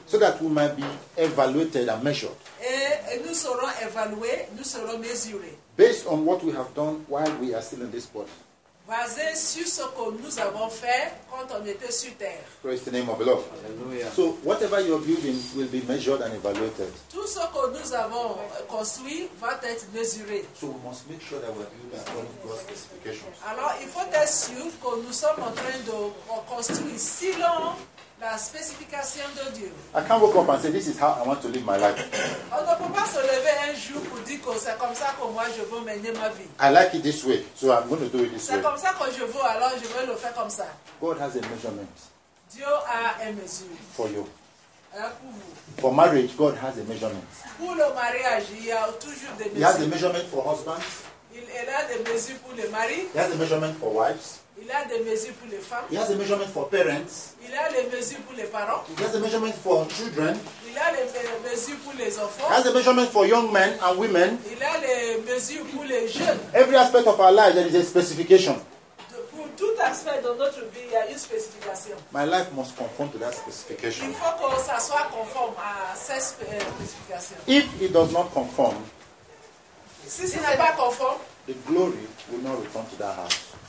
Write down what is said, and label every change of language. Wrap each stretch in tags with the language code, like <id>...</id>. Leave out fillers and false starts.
<en>So that we might be evaluated and measured.</en> <fr>Et nous serons évalués, nous serons mesurés.</fr> <en>Based on what we have done while we are still in this body.</en> <fr>Basé sur ce que nous avons fait quand on était sur terre.</fr> <en>Praise the name of the Lord. Hallelujah. So whatever you are building will be measured and evaluated.</en> <fr>Tout ce que nous avons construit va être mesuré.</fr> <en>So we must make sure that we are building according to God's specifications.</en> <fr>Alors il faut être sûr que nous sommes en train de construire selon la spécification de Dieu.</fr> <en>I can't wake up and say this is how I want to live my life.</en> <fr>On ne peut pas se lever un jour pour dire que c'est comme ça que moi je veux mener ma vie.</fr> <en>I like it this way, so I'm going to do it this</en> <fr>way. C'est comme ça que je veux, alors je veux le faire comme ça.</fr> <en>God has a measurement.</en> <fr>Dieu a une mesure.</fr> <en>For you.</en> <fr>Pour vous.</fr> <en>For marriage, God has a measurement.</en> <fr>Pour le mariage, il y a toujours des mesures.</fr> <en>He has a measurement for husbands.</en> <fr>Il a des mesures pour les maris.</fr> <en>He has a measurement for wives.</en> <fr>Il a des mesures pour les femmes.</fr> <en>He has a measurement for parents.</en> <fr>Il a des mesures pour les parents.</fr> <en>He has a measurement for children.</en> <fr>Il a des mesures pour les enfants.</fr> <en>He has a measurement for young men and women.</en> <fr>Il a des mesures pour les jeunes.</fr> <en>Every aspect of our life, there is a specification.</en> <fr>Pour tout aspect de notre vie, il y a une spécification.</fr> <en>My life must conform to that specification.</en> <fr>Il faut que ça soit conforme à cette spécification.</fr> <en>If it does not conform,</en> <fr>si ce n'est pas conforme,</fr> <en>the glory will not return to that house.</en>